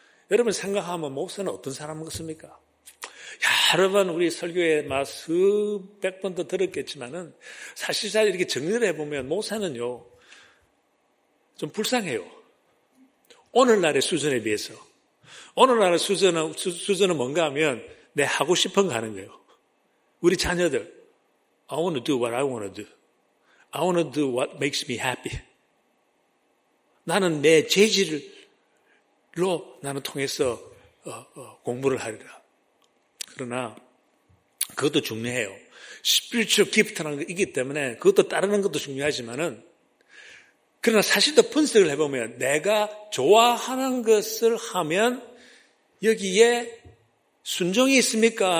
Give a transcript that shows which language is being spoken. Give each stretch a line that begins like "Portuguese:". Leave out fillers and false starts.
Korean: 여러분 생각하면 모세는 어떤 사람 같습니까? 여러분 우리 설교에 수백 번도 들었겠지만은 사실 잘 이렇게 정리를 해보면 모세는요 좀 불쌍해요. 오늘날의 수준에 비해서. 오늘날의 수준은 뭔가 하면 내 하고 싶은 거 하는 거예요. 우리 자녀들.
English: I want to do what I want to do. I want to do what makes me happy.
Korean: 나는 내 재질로 나는 통해서 공부를 하리라. 그러나 그것도 중요해요. spiritual gift라는 게 있기 때문에 그것도 따르는 것도 중요하지만은 그러나 사실 또 분석을 해보면 내가 좋아하는 것을 하면 여기에 순종이 있습니까?